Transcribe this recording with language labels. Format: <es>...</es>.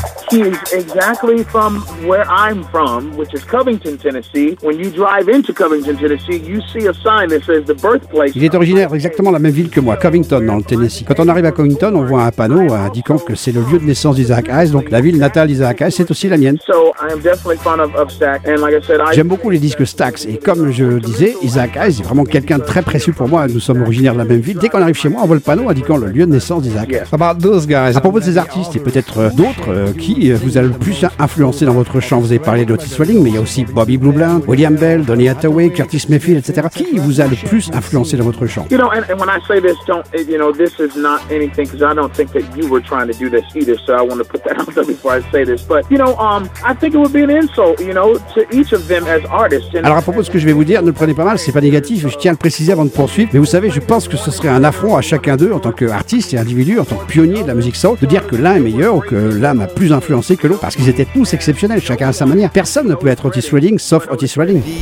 <en>He's exactly from where I'm from, which is Covington, Tennessee. When you drive into Covington, Tennessee, you see a sign that says the birthplace.</en> <fr>Il est originaire exactement de la même ville que moi, Covington, dans le Tennessee. Quand on arrive à Covington, on voit un panneau indiquant que c'est le lieu de naissance d'Isaac Hayes, donc la ville natale d'Isaac Hayes, c'est aussi la mienne.</fr> <en>So I am definitely fond of Stax, and like I said,</en> <fr>j'aime beaucoup les disques Stax. Et comme je le disais, Isaac Hayes est vraiment quelqu'un de très précieux pour moi. Nous sommes originaires de la même ville. Dès qu'on arrive chez moi, on voit le panneau indiquant le lieu de naissance d'Isaac Hayes.</fr> <en>About those guys.</en> <fr>À propos de ces artistes et peut-être d'autres qui vous a le plus influencé dans votre chant. Vous avez parlé d'Otis Redding, mais il y a aussi Bobby Blue Bland, William Bell, Donny Hathaway, Curtis Mayfield, etc. Qui vous a le plus influencé dans votre chant?</fr> <en>You know, and when I say this, don't, you know, this is not anything, because I don't think that you were trying to do this either, so I want to put that out there before I say this, but, you know, I think it would be an insult, you know, to each of them as artists.</en> <fr>Alors, à propos de ce que je vais vous dire, ne le prenez pas mal, c'est pas négatif, je tiens à le préciser avant de poursuivre, mais vous savez, je pense que ce serait un affront à chacun d'eux, en tant qu'artiste et individu, en tant que pionnier de la musique soul, de dire que l'un est meilleur ou que l'un a plus influencé. Que l'autre, parce qu'ils étaient tous exceptionnels, chacun à sa manière. Personne ne peut être Otis Redding sauf Otis Redding.</fr>